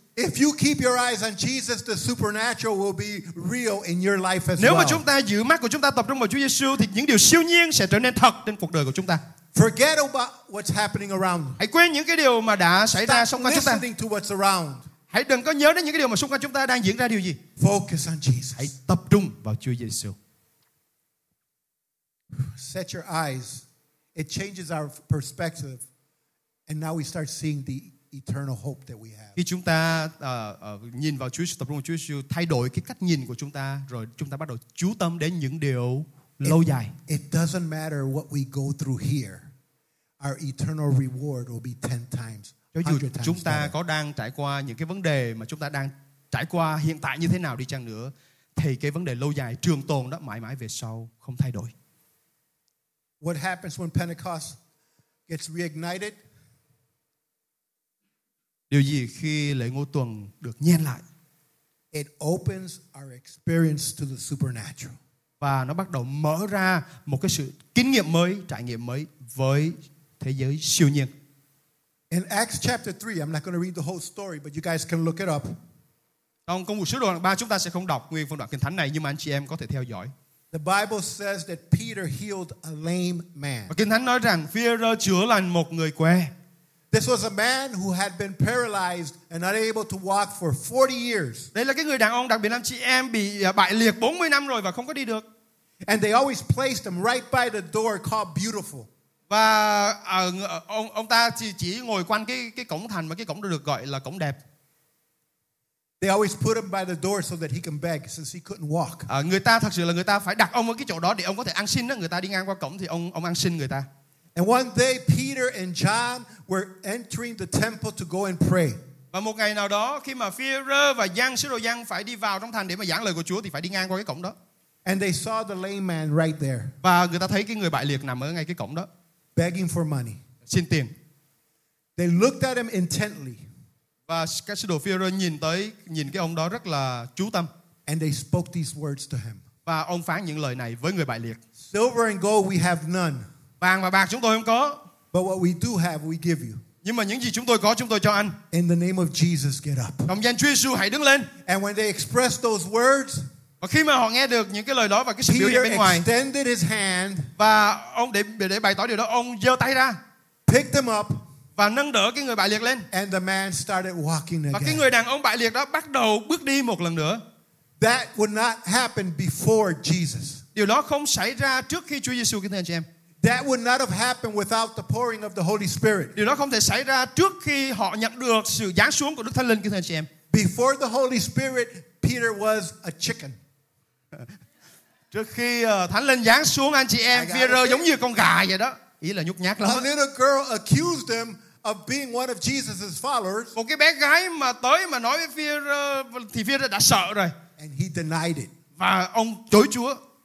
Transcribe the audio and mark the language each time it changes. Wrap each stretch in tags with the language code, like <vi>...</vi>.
<en>If you keep your eyes on Jesus, the supernatural will be real in your life as well.</en> <vi>Nếu mà chúng ta giữ mắt của chúng ta tập trung vào Chúa Giêsu thì những điều siêu nhiên sẽ trở nên thật trên cuộc đời của chúng ta.</vi> <en>Forget about what's happening around.</en> <vi>Hãy quên những cái điều mà đã xảy ra xung quanh chúng ta.</vi> <en>Listening to what's around.</en> <vi>Hãy đừng có nhớ đến những cái điều mà xung quanh chúng ta đang diễn ra điều gì.</vi> <en>Focus on Jesus.</en> <vi>Hãy tập trung vào Chúa Giêsu.</vi> <en>Set your eyes. It changes our perspective. And now we start seeing the eternal hope that we have.</en> <vi>Khi chúng ta nhìn vào Chúa, tập trung vào Chúa Giêsu, thay đổi cái cách nhìn của chúng ta, rồi chúng ta bắt đầu chú tâm đến những điều lâu dài.</vi> <en>It doesn't matter what we go through here. Our eternal reward will be 10 times, 100 times.</en> <vi>Cho dù chúng ta có đang trải qua những cái vấn đề mà chúng ta đang trải qua hiện tại như thế nào đi chăng nữa, thì cái vấn đề lâu dài trường tồn đó mãi mãi về sau không thay đổi.</vi> <en>What happens when Pentecost gets reignited?</en> <vi>Điều gì khi lễ Ngô Tuần được nhen lại?</vi> <en>It opens our experience to the supernatural.</en> <vi>Và nó bắt đầu mở ra một cái sự kinh nghiệm mới, trải nghiệm mới với thế giới siêu nhiên.</vi> <en>In Acts chapter 3, I'm not going to read the whole story, but you guys can look it up.</en> <vi>Trong Công vụ Sứ đồ 3 chúng ta sẽ không đọc nguyên phân đoạn kinh thánh này, nhưng mà anh chị em có thể theo dõi.</vi> <en>The Bible says that Peter healed a lame man.</en> <vi>Và kinh thánh nói rằng Peter chữa lành một người què.</vi> <en>This was a man who had been paralyzed and not able to walk for 40 years.</en> <vi>Đây là cái người đàn ông đặc biệt anh chị em bị bại liệt 40 năm rồi và không có đi được.</vi> <en>And they always placed them right by the door called Beautiful.</en> <vi>Và ông ta chỉ ngồi quanh cái cổng thành mà cái cổng được gọi là cổng đẹp.</vi> <en>They always put him by the door so that he can beg since he couldn't walk.</en> <vi>Người ta thật sự là người ta phải đặt ông ở cái chỗ đó để ông có thể ăn xin đó. Người ta đi ngang qua cổng thì ông ăn xin người ta.</vi> <en>And one day Peter and John were entering the temple to go and pray.</en> <vi>Và một ngày nào đó khi mà Phi-rơ và Giăng sứ đồ Giăng phải đi vào trong thành để mà giảng lời của Chúa thì phải đi ngang qua cái cổng đó.</vi> <en>And they saw the lame man right there.</en> <vi>Và người ta thấy cái người bại liệt nằm ở ngay cái cổng đó.</vi> <en>Begging for money.</en> <vi>Xin tiền.</vi> <en>They looked at him intently.</en> <vi>Và các sứ đồ Phi-rơ nhìn cái ông đó rất là chú tâm.</vi> <en>And they spoke these words to him.</en> <vi>Và ông phán những lời này với người bại liệt.</vi> <en>Silver and gold we have none.</en> <vi>Vàng và bạc chúng tôi không có.</vi> <en>But what we do have we give you.</en> <vi>Nhưng mà những gì chúng tôi có chúng tôi cho anh.</vi> <en>In the name of Jesus get up.</en> <vi>Trong danh Chúa Giêsu hãy đứng lên.</vi> <en>And when they expressed those words,</en> <vi>và khi mà họ nghe được những cái lời đó và cái sự biểu hiện bên ngoài,</vi> <en>Peter extended his hand,</en> <vi>và ông để bày tỏ điều đó, ông giơ tay ra,</vi> <en>picked them up,</en> <vi>và nâng đỡ cái người bại liệt lên.</vi> <en>And the man started walking again.</en> <vi>Và cái người đàn ông bại liệt đó bắt đầu bước đi một lần nữa.</vi> <en>That would not happen before Jesus.</en> <vi>Điều đó không xảy ra trước khi Chúa Giêsu, kính thưa anh chị em.</vi> <en>That would not have happened without the pouring of the Holy Spirit.</en> <vi>Điều đó không thể xảy ra trước khi họ nhận được sự giáng xuống của Đức Thánh Linh, kính thưa anh chị em.</vi> <en>Before the Holy Spirit, Peter was a chicken.</en> <vi>Trước khi Thánh Linh giáng xuống anh chị em, Peter giống như con gà vậy đó. Ý là nhút nhát lắm.</vi> <en>A little girl accused him of being one of Jesus' followers.</en> <vi>Một cái bé gái mà tới mà nói với Peter thì Peter đã sợ rồi.</vi> <en>And he denied it.</en> <vi>Và ông chối Chúa.</vi>